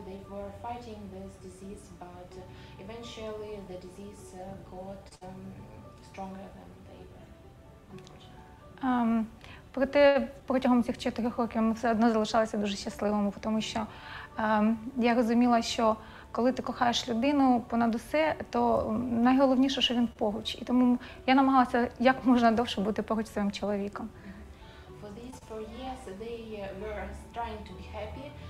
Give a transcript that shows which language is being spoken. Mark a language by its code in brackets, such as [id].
[en] They were fighting this disease, but eventually the disease got stronger than they were. [uk] Проте протягом цих 4 років ми все одно залишалися дуже щасливими, тому що я розуміла, що коли ти кохаєш людину понад усе, то найголовніше, що він поруч. І тому я намагалася як можна довше бути поруч своїм чоловіком. [en] For these 4 years they were trying to be happy.